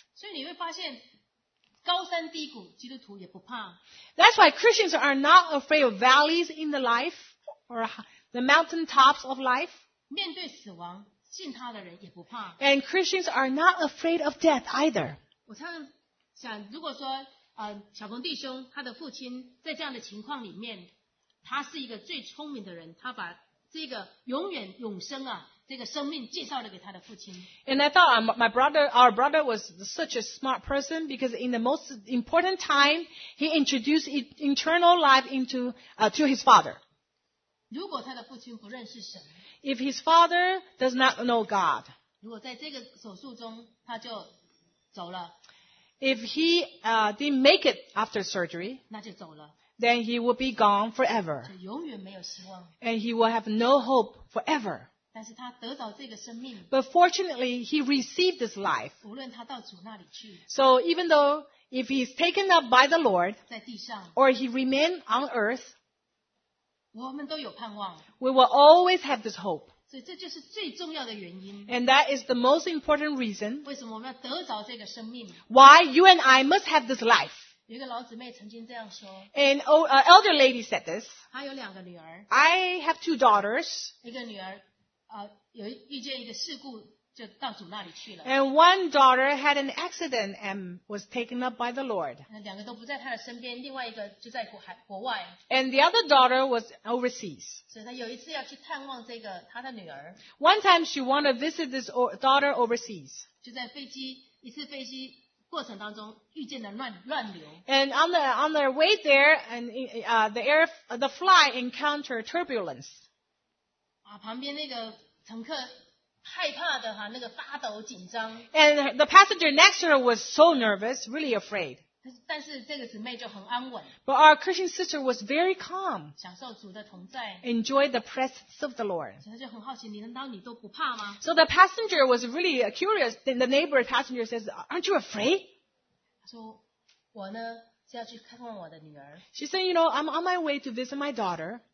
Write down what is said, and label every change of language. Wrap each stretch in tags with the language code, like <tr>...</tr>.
<zh>所以你会发现高山低谷基督徒也不怕。</zh> <en>That's why Christians are not afraid of valleys in the life or the mountaintops of life.</en> <zh>面对死亡信他的人也不怕。</zh> <en>And Christians are not afraid of death either.</en> <zh>我常常想，如果说小鹏弟兄他的父亲在这样的情况里面，他是一个最聪明的人，他把这个永远永生啊，这个生命介绍了给他的父亲。</zh> <en>And I thought my brother, our brother was such a smart person because in the most important time, he introduced eternal life into to his father.</en> <zh>如果他的父亲不认识神。</zh> <en>If his father does not know God,</en> <zh>如果在这个手术中他就走了。</zh> <en>If he didn't make it after surgery,</en> <zh>那就走了。</zh> <en>Then he will be gone forever.</en> <zh>就永远没有希望。</zh> <en>And he will have no hope forever.</en> <zh>但是他得到这个生命。</zh> <en>But fortunately, he received this life.</en> <zh>无论他到主那里去。</zh> <en>So even though if he's taken up by the Lord,</en> <zh>在地上。</zh> <en>Or he remained on earth,</en> <zh>我们都有盼望。</zh> <en>We will always have this hope.</en> <zh>所以这就是最重要的原因。</zh> <en>And that is the most important reason.</en> <zh>为什么我们要得着这个生命？</zh> <en>Why you and I must have this life.</en> <zh>有一个老姊妹曾经这样说。</zh> <en>An old, elder lady said this.</en> <zh>她有两个女儿。</zh> <en>I have two daughters.</en> <zh>一个女儿遇见一个事故就到主那里去了。</zh> <en>And one daughter had an accident and was taken up by the Lord.</en> <zh>两个都不在她的身边，另外一个就在国外。</zh> <en>And the other daughter was overseas.</en> <zh>所以她有一次要去探望这个她的女儿。</zh> <en>One time she wanted to visit this daughter overseas.</en> <zh>就在飞机一次飞机过程当中遇见了乱流。</zh> <en>And on their way there, and the fly encountered turbulence.</en> <zh>啊，旁边那个乘客。害怕的哈，那个发抖紧张。</zh> <en>And the passenger next to her was so nervous, really afraid.</en> <zh>但是这个姊妹就很安稳。</zh> <en>But our Christian sister was very calm.</en> <zh>享受主的同在。</zh> <en>Enjoyed the presence of the Lord.</en> <zh>她就很好奇，难道你都不怕吗？</zh> <en>So the passenger was really curious. Then the neighbor passenger says, "Aren't you afraid?"</en> <zh>她说，我呢是要去看望我的女儿。</zh> <en>She said, "You know, I'm on my way to visit my daughter."</en>